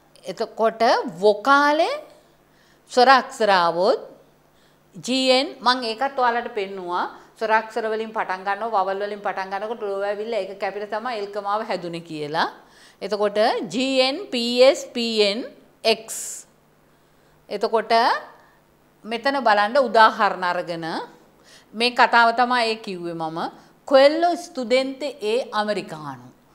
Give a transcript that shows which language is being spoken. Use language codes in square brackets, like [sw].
[si] එතකොට වොකාලේ ස්වර අක්ෂරාවොත් gn මම ඒකත් ඔයාලට පෙන්නුවා ස්වර අක්ෂර වලින් පටන් ගන්නවා වවල් වලින් පටන් ගන්නකොට ලෝ ඇවිල්ලා ඒක කැපිට තමයි එල්කමාව හැදුනේ කියලා. එතකොට gn ps pn x. එතකොට මෙතන බලන්න උදාහරණ අරගෙන මේ කතාව තමයි ඒ කිව්වේ මම. [it] Quello studente è americano.